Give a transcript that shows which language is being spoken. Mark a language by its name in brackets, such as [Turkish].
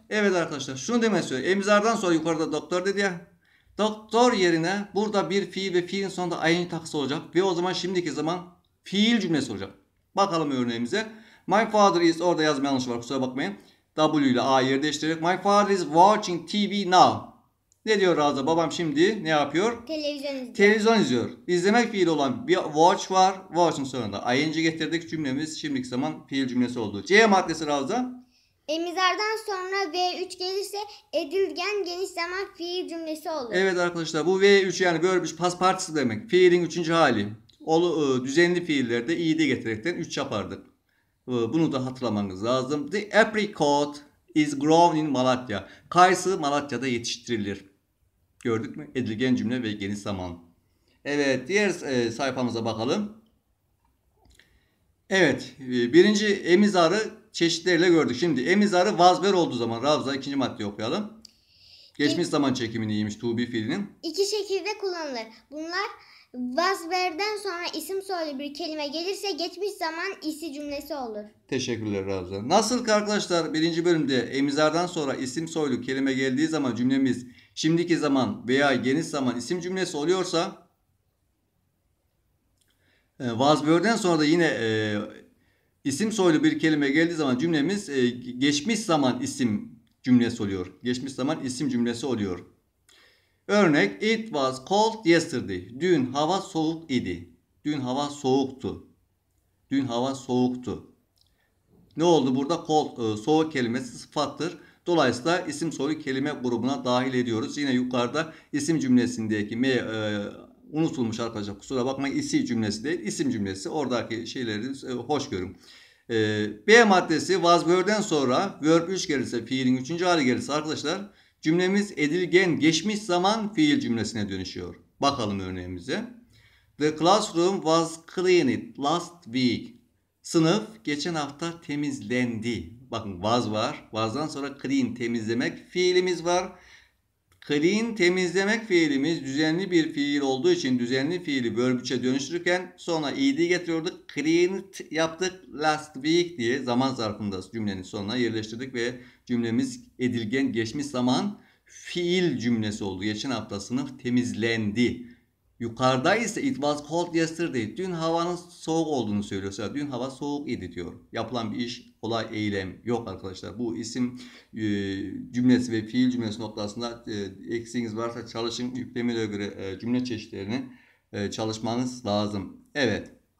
[Turkish] Evet arkadaşlar. Şunu demek istiyor. Emizardan sonra yukarıda doktor dedi ya. Doktor yerine burada bir fiil ve fiilin sonunda ing takısı olacak. Ve o zaman şimdiki zaman fiil cümlesi olacak. Bakalım örneğimize. [English] My father is, [Turkish] orada yazma yanlış var kusura bakmayın. W ile A yeri değiştirerek. [English] My father is watching TV now. [Turkish] Ne diyor Razı? Babam şimdi ne yapıyor? Televizyon izliyor. Televizyon izliyor. İzlemek fiili olan bir watch var. Watch'ın sonunda ing getirdik. Cümlemiz şimdiki zaman fiil cümlesi oldu. C maddesi Razı. Emizardan sonra V3 gelirse edilgen geniş zaman fiil cümlesi olur. Evet arkadaşlar, bu V3 yani verb'ün paspartisi demek. Fiilin 3. hali. Düzenli fiillerde iyi de getirerekten 3 yapardık. Bunu da hatırlamanız lazım. [English] The apricot is grown in Malatya. [Turkish] Kayısı Malatya'da yetiştirilir. Gördük mü? Edilgen cümle ve geniş zaman. Evet, diğer sayfamıza bakalım. Evet, birinci emizarı çeşitleriyle gördük. Şimdi emizarı vazver olduğu zaman Ravza, ikinci maddeyi okuyalım. Geçmiş zaman çekimini iyiymiş to be fiilinin. İki şekilde kullanılır. Bunlar was verden sonra isim soylu bir kelime gelirse geçmiş zaman isi cümlesi olur. Teşekkürler Ravza. Nasıl ki arkadaşlar birinci bölümde emizardan sonra isim soylu kelime geldiği zaman cümlemiz şimdiki zaman veya geniş zaman isim cümlesi oluyorsa was verden sonra da yine isim soylu bir kelime geldiği zaman cümlemiz geçmiş zaman isim cümlesi oluyor. Geçmiş zaman isim cümlesi oluyor. Örnek, [English] it was cold yesterday. [Turkish] Dün hava soğuk idi. Dün hava soğuktu. Dün hava soğuktu. Ne oldu burada? Cold, soğuk kelimesi sıfattır. Dolayısıyla isim soylu kelime grubuna dahil ediyoruz. Yine yukarıda isim cümlesindeki unutulmuş arkadaşlar, kusura bakmayın. İsi cümlesi değil, isim cümlesi. Oradaki şeyleri hoşgörüm. B maddesi was verb'den sonra verb 3 gelirse, fiilin 3. hali gelirse arkadaşlar, cümlemiz edilgen geçmiş zaman fiil cümlesine dönüşüyor. Bakalım örneğimize. [English] The classroom was cleaned last week. [Turkish] Sınıf geçen hafta temizlendi. Bakın was var. Was'dan sonra clean, temizlemek fiilimiz var. Clean, temizlemek fiilimiz düzenli bir fiil olduğu için düzenli fiili verb 3'e dönüştürürken sonra ed getiriyorduk. Cleaned yaptık last week diye zaman zarfında cümlenin sonuna yerleştirdik ve cümlemiz edilgen geçmiş zaman fiil cümlesi oldu. Geçen hafta sınıf temizlendi. Yukarıda ise [English] it was cold yesterday. [Turkish] Dün havanın soğuk olduğunu söylüyorsa, dün hava soğuk idi diyor. Yapılan bir iş, olay, eylem yok arkadaşlar. Bu isim cümlesi ve fiil cümlesi noktasında eksiğiniz varsa çalışın. Yüklemeye göre cümle çeşitlerini çalışmanız lazım. Evet.